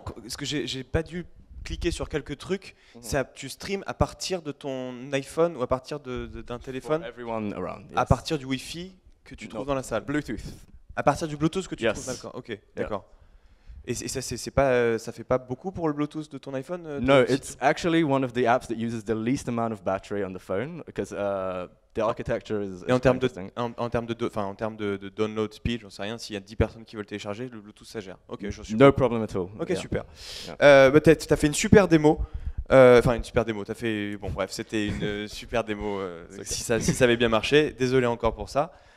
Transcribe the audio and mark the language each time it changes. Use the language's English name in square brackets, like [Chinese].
[French] Parce que j'ai pas dû cliquer sur quelques trucs. Mm-hmm. C'est tu streams à partir de ton iPhone ou à partir d'un téléphone. [English] For everyone around, yes. [French] À partir du Wi-Fi que tu trouves dans la salle. [English] Bluetooth. [French] À partir du Bluetooth que tu [English] yes. [French] trouves dans la salle. Ok, [English] yeah. [French] D'accord. Et ça, c'est pas, ça fait pas beaucoup pour le Bluetooth de ton iPhone? [English] No, it's actually one of the apps that uses the least amount of battery on the phone, because the architecture is... [French] Et en termes de download speed, j'en sais rien, s'il y a 10 personnes qui veulent télécharger, le Bluetooth, ça gère. Okay, [English] no problem at all. [French] Ok, yeah. Super. Yeah. Bah, t'as fait une super démo. Une super démo. T'as fait bon, bref, c'était une super démo. Si ça avait bien marché, désolé encore pour ça.